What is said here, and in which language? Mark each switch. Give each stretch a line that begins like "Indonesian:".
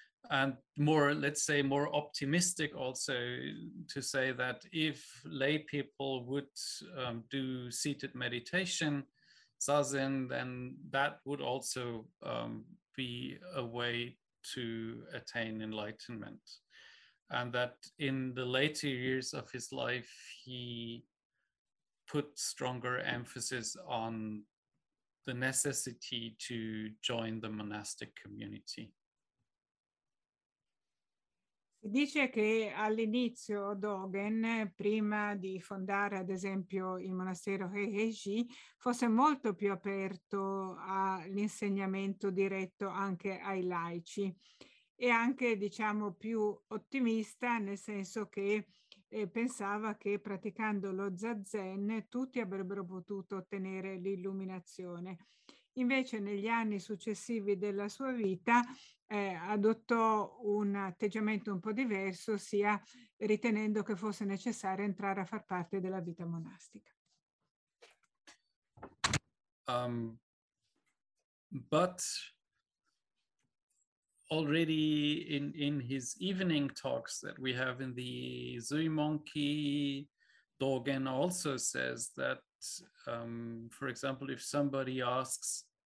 English: and more, let's say, more optimistic also to say that if lay people would do seated meditation, zazen, then that would also be a way to attain enlightenment. And that in the later years of his life, he put stronger emphasis on the necessity to join the monastic community.
Italian: Dice che all'inizio Dogen, prima di fondare ad esempio il monastero Heiheiji, fosse molto più aperto all'insegnamento diretto anche ai laici e anche, diciamo, più ottimista, nel senso che pensava che praticando lo Zazen tutti avrebbero potuto ottenere l'illuminazione. Invece negli anni successivi della sua vita adottò un atteggiamento un po' diverso, sia ritenendo che fosse necessario entrare a far parte della vita monastica.
English: But already in his evening talks that we have in the Zui Monkey, Dogen also says that, for example, if somebody asks